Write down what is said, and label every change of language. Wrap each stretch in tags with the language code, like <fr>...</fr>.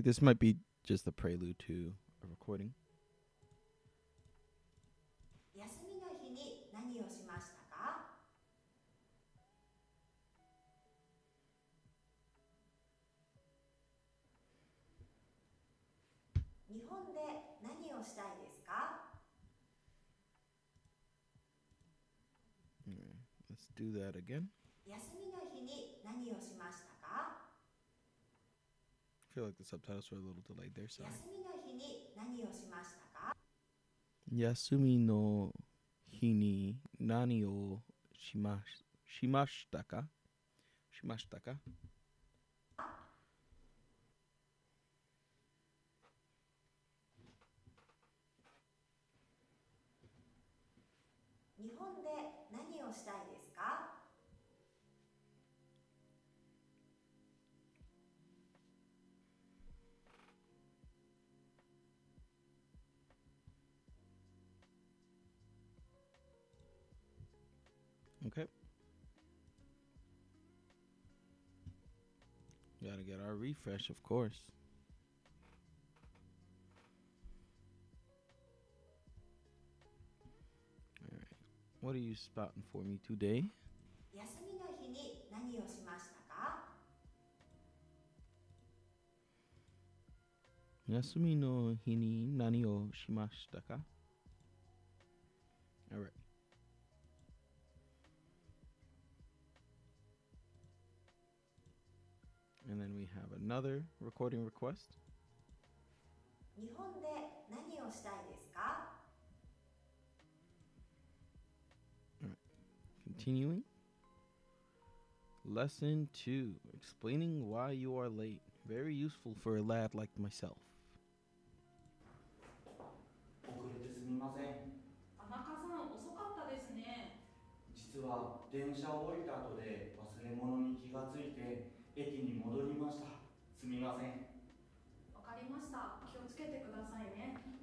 <en>This might be just the prelude to a recording.</en> <ja>休みの日に何をしましたか？日本で何をしたいですか？</ja> <en>Let's do that again.</en> <ja>休みの日に何をしましたか？</ja> <en>I feel like the subtitles were a little delayed there, sorry.</en> <ja>休みの日に何をしましたか？休みの日に何をしましたか？しましたか？日本で何をしたいですか？</ja> <en>Okay. Gotta get our refresh, of course. All right. What are you spotting for me today?</en> <ja>休みの日に何をしましたか？休みの日に何をしましたか？</ja> <en>All right. And then we have another recording request.</en> <ja>日本で何をしたいですか？</ja> <en>Alright. Continuing. Lesson 2. Explaining why you are late. Very useful for a lad like myself.</en> <ja>遅れてすみません。田中さん、遅かったですね。実は電車を降りた後で忘れ物に気がついて駅に戻りました。すみません。わかりました。気をつけてくださいね。</ja>